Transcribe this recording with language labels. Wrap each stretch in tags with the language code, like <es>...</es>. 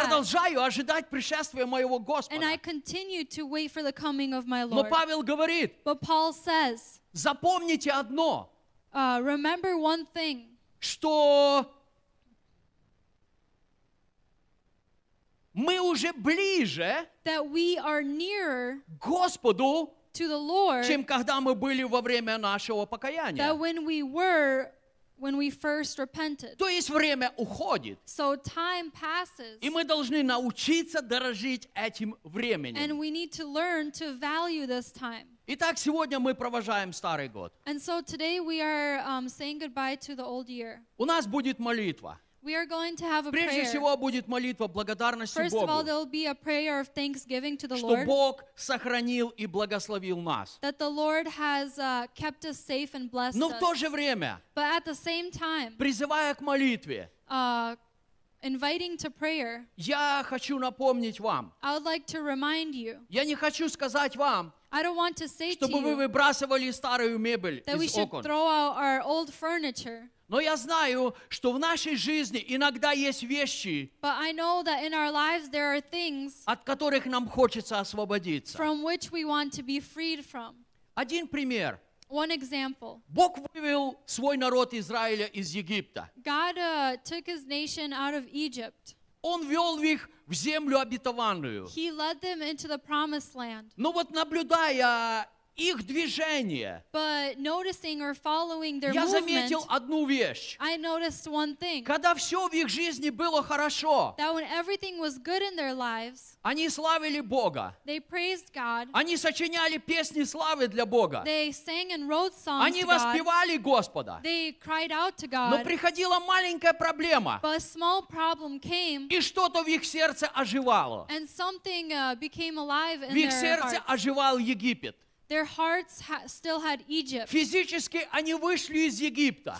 <ru>Продолжаю ожидать пришествия моего Господа.</ru> <en>And I continue to wait for the coming of my Lord.</en> <ru>Но Павел говорит,</ru> <en>but Paul says,</en> <ru>запомните одно,</ru> <en>remember one thing,</en> <ru>что мы уже ближе,</ru> <en>that we are nearer,</en> <ru>к Господу,</ru> <en>to the Lord,</en> <ru>чем когда мы были во время нашего покаяния.</ru> <en>That when we were, when we first repented.</en> <ru>То есть время уходит.</ru> <en>So time passes.</en> <ru>И мы должны научиться дорожить этим временем.</ru> <en>And we need to learn to value this time.</en> <ru>Итак, сегодня мы провожаем старый год.</ru> <en>And so today we are saying goodbye to the old year.</en> <ru>У нас будет молитва.</ru> <en>We are going to have a</en> <ru>прежде</ru> <en>prayer.</en> <ru>Всего будет молитва благодарности</ru> <en>first</en> <ru>Богу.</ru> <en>First of all, there will be a prayer of thanksgiving to the</en> <ru>что</ru> <en>Lord.</en> <ru>Что Бог сохранил и благословил нас.</ru> <en>That the Lord has kept us safe and blessed us.</en> <ru>Но в то же время,</ru> <en>but at the same time,</en> <ru>призывая к молитве,</ru> <en>inviting to prayer,</en> <ru>я хочу напомнить вам.</ru> <en>I would like to remind you.</en> <ru>Я не хочу сказать вам,</ru> <en>I don't want to say</en> <ru>чтобы</ru> <en>to</en> <ru>вы выбрасывали старую мебель из окон.</ru> <en>That we should throw out our old furniture.</en> <ru>Но я знаю, что в нашей жизни иногда есть вещи,</ru> <en>but I know that in our lives there are things,</en> <ru>от которых нам хочется освободиться.</ru> <en>From which we want to be freed from.</en> <ru>Один пример.</ru> <en>One example.</en> <ru>Бог вывел свой народ Израиля из Египта.</ru> <en>God took his nation out of Egypt.</en> <ru>Он вел их в землю обетованную.</ru> <en>He led them into the promised land.</en> <ru>Но вот наблюдая их движение,</ru> <en>but noticing or following their</en> <ru>я заметил одну вещь.</ru> <en>I noticed one thing.</en> <ru>Когда все в их жизни было хорошо,</ru> <en>that when everything was good in their lives,</en> <ru>они славили Бога.</ru> <en>They praised God.</en> <ru>Они сочиняли песни славы для Бога.</ru> <en>They sang and wrote songs.</en> <ru>Они воспевали Господа.</ru> <en>They cried out to God.</en> <ru>Но приходила маленькая проблема.</ru> <en>But a small problem came.</en> <ru>И что-то в их сердце оживало.</ru> <en>And something became alive in their hearts.</en> <ru>В их сердце оживал Египет.</ru> <en>Their hearts still had Egypt.</en> <ru>Физически они вышли из Египта.</ru>